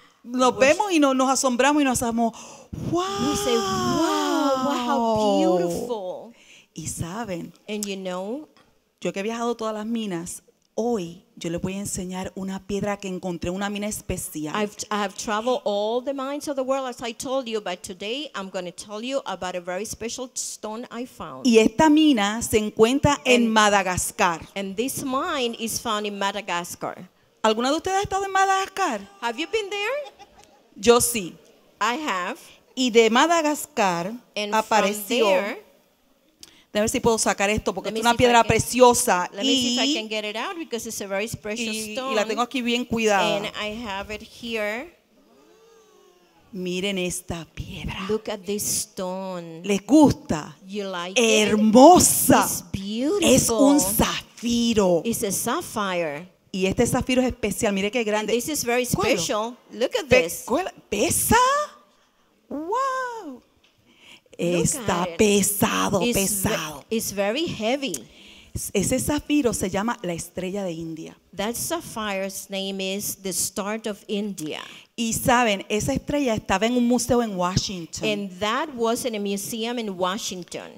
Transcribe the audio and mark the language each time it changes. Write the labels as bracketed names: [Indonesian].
[Spanish] Nos vemos y nos asombramos y nos hacemos wow. [English] We say wow, how beautiful. [Spanish] Y saben, [English] and you know, [Spanish] yo que he viajado todas las minas, hoy yo les voy a enseñar una piedra que encontré, una mina especial. [English] I have traveled all the mines of the world as I told you, but today I'm going to tell you about a very special stone I found. [Spanish] Y esta mina se encuentra en Madagascar. [English] And this mine is found in Madagascar. [Spanish] ¿Alguna de ustedes ha estado en Madagascar? [English] Have you been there? [Spanish] Yo sí. [English] I have. [Spanish] Y de Madagascar [English] and [Spanish] apareció. [English] From there, [Spanish] a ver si puedo sacar esto porque es una piedra preciosa y la tengo aquí bien cuidada. [English] And I have it here. [Spanish] Miren esta piedra. [English] Look at this stone. [Spanish] ¿Les gusta? [English] You like [Spanish] hermosa. [English] It? It's beautiful. [Spanish] Es un zafiro. [English] It's a sapphire. [Spanish] Y este zafiro es especial. Mire qué grande. [English] And this is very special. [Spanish] ¿Cuál? [English] Look at this. [Spanish] ¿Pesa? Wow. Está pesado, pesado. [English] It's very heavy. [Spanish] Ese zafiro se llama la estrella de India. [English] That sapphire's name is the star of India. [Spanish] Y saben, esa estrella estaba en un museo en Washington. [English] And that was in a museum in Washington.